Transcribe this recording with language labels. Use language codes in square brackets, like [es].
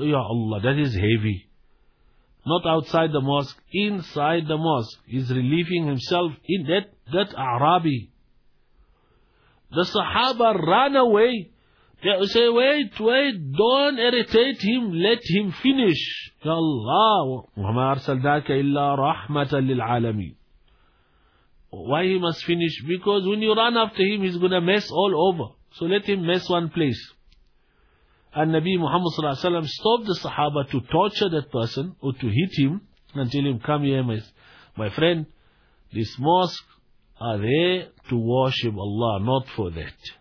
[en] Ya Allah, that is heavy. Not outside the mosque, inside the mosque. He's relieving himself in that Arabi. The Sahaba ran away. They say, wait, don't irritate him, let him finish. [ar] Ya Allah, وَمَا أَرْسَلْنَاكَ إِلَّا رَحْمَةً لِلْعَالَمِينَ. [en] Why he must finish? Because when you run after him, he's going to mess all over. So let him mess one place. And Nabi Muhammad sallallahu alaihi wasallam stopped the Sahaba to torture that person or to hit him and tell him, come here, my friend, this mosque are there to worship Allah, not for that.